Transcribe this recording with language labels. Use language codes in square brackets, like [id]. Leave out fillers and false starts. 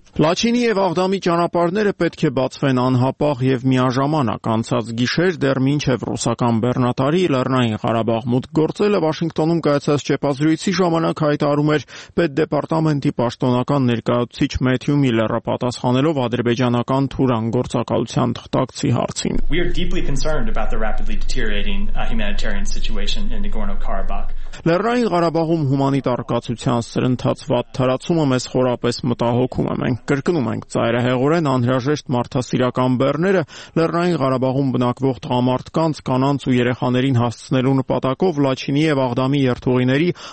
[hy] Լաչինի և Աղդամի ճանապարհները պետք է բացվեն անհապաղ և միաժամանակ։ Անցած գիշեր դեռ մինչև ռուսական Բեռնատարի Լեռնային Ղարաբաղ մուտք գործելը Վաշինգտոնում կայացած չեփազրույցի ժամանակ հայտարարում էր պետ դեպարտամենտի պաշտոնական ներկայացուցիչ Մեթյու Միլլերը, պատասխանելով ադրբեջանական Թուրան գործակալության թղթակցի հարցին։ [en] We are deeply concerned about the rapidly deteriorating humanitarian situation in Nagorno-Karabakh. [hy] Լեռնային Ղարաբաղում հումանիտար կացության սրընթաց վատթարացումը մեզ խորապես մտահոգում է։ Մենք կրկնում ենք ծայրահեղորեն անհրաժեշտ մարդասիրական բեռները Լեռնային Ղարաբաղում բնակվող տղամարդկանց, կանանց ու երեխաներին հասցնելու նպատակով Լաչինի և Աղդամի երթուղիների